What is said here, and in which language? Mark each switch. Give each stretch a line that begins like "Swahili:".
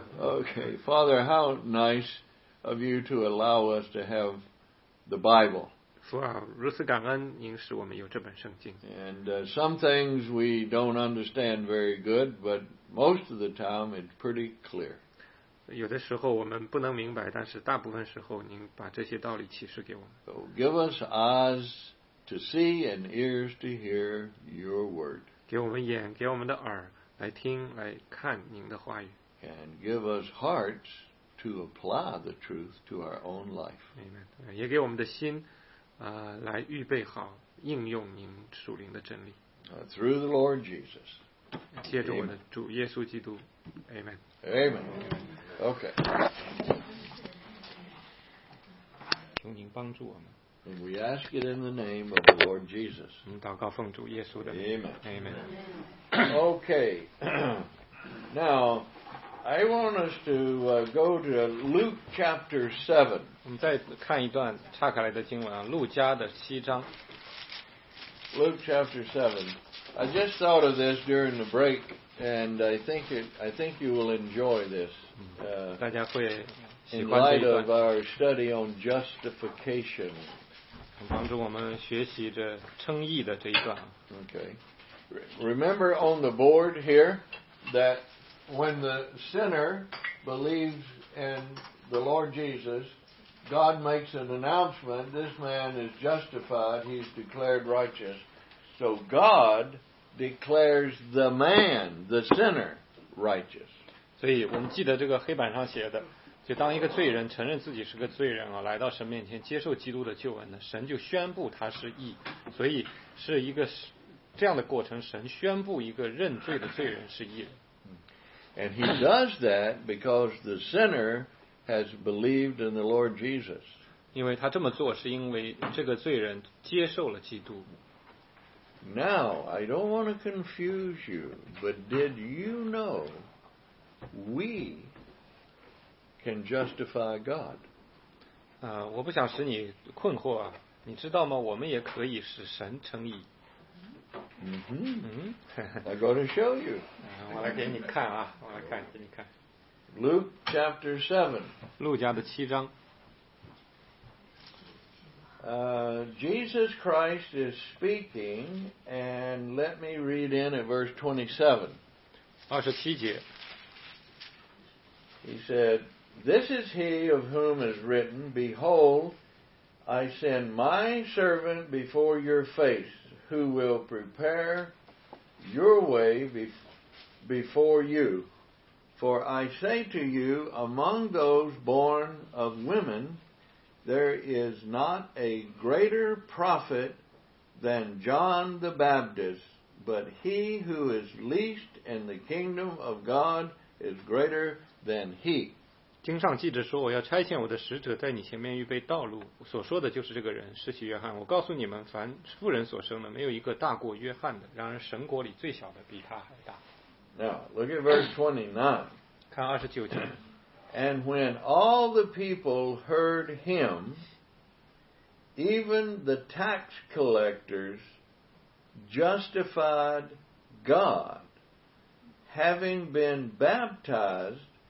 English: Okay. Father, how nice of you to allow us to have the Bible. And some things we don't understand very good, but most of the time it's pretty clear.
Chinese: 有的时候我们不能明白，但是大部分时候您把这些道理启示给我们。
English: So give us eyes to see and ears to hear your word.
Chinese: 给我们眼，给我们的耳，来听，来看您的话语。
English: And give us hearts to apply the truth to our own life.
Chinese: Amen. 也给我们的心，来预备好应用您属灵的真理。
English: Through the Lord Jesus.
Chinese: 借着我的主耶稣基督。Amen.
English: Amen. Okay.
Chinese: 求您帮助我们。
English: And we ask it in the name of the Lord Jesus.
Chinese: 我们祷告奉主耶稣的名。
English: Amen. Amen. Okay. Now, I want us to go to Luke chapter 7.
Chinese: 我们再看一段岔开来的经文啊，路加的七章。
English: Luke chapter 7. I just thought of this during the break, and I think you will enjoy this.
Chinese: 大家会
English: In light of our study on justification,
Chinese: 帮助我们学习这称义的这一段。
English: Okay. Remember on the board here that when the sinner believes in the Lord Jesus, God makes an announcement, this man is justified, he's declared righteous. So God declares the man, the sinner, righteous.
Chinese: 所以我们记得这个黑板上写的。就当一个罪人承认自己是个罪人啊，来到神面前接受基督的救恩呢，神就宣布他是义，所以是一个这样的过程，神宣布一个认罪的罪人是义人。
English: And he does that because the sinner has believed in the Lord Jesus.
Chinese: 因为他这么做是因为这个罪人接受了基督。
English: Now, I don't want to confuse you, but did you know we can justify God.
Chinese: 我不想使你困惑啊，你知道吗？我们也可以使神称义。
English: I'm going to show you.
Chinese: 我来给你看啊，我来看给你看。
English: Luke chapter 7.
Chinese: 路加的七章。
English: Jesus Christ is speaking, and let me read in at verse 27.
Chinese: 二十七节。
English: He said,This is he of whom is written, Behold, I send my servant before your face, who will prepare your way before you. For I say to you, among those born of women, there is not a greater prophet than John the Baptist, but he who is least in the kingdom of God is greater than he.
Chinese: 经上记着说，我要差遣我的使者在你前面预备道路。所说的就是这个人，施洗约翰。我告诉你们，凡妇人所生的，没有一个大过约翰的。然而神国里最小的比他还大。
English: Now look at verse 29.
Chinese: 看二十九节。
English: And when all the people heard him, even the tax collectors justified God, having been baptized.